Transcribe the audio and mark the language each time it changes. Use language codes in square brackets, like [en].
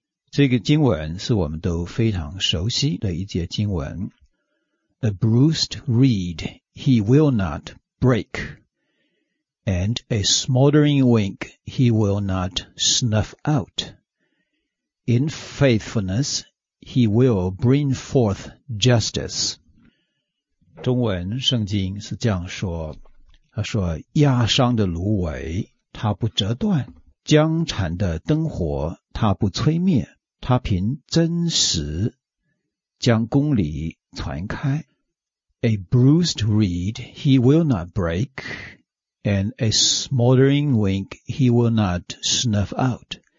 [zh] 这个经文是我们都非常熟悉的一节经文。 [en] A bruised reed he will not break, and a smoldering wick he will not snuff out. In faithfulness, he will bring forth justice. [zh] 中文圣经是这样说，他说，压伤的芦苇他不折断，僵缠的灯火他不吹灭，他凭真实将公理传开。 [en] A bruised reed he will not break, and a smoldering wick he will not snuff out.